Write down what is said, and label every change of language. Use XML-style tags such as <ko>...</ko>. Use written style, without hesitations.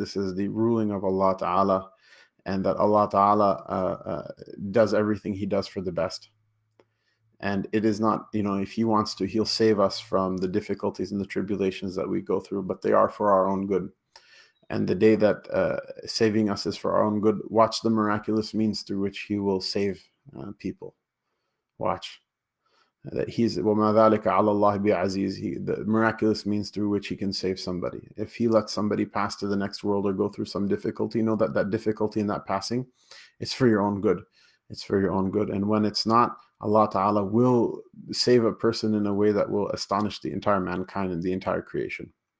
<en>This is the ruling of Allah Ta'ala, and that Allah Ta'ala does everything He does for the best. And it is not, if He wants to, He'll save us from the difficulties and the tribulations that we go through, but they are for our own good. And the day that saving us is for our own good, watch the miraculous means through which He will save people. Watch that He's</en> <ar>وَمَا ذَلِكَ عَلَى اللَّهِ بِعَزِيزٍ.</ar> <en>The miraculous means through which He can save somebody. If He lets somebody pass to the next world or go through some difficulty, know that that difficulty and that passing, it's for your own good. It's for your own good. And when it's not, Allah Ta'ala will save a person in a way that will astonish the entire mankind and the entire creation.</en>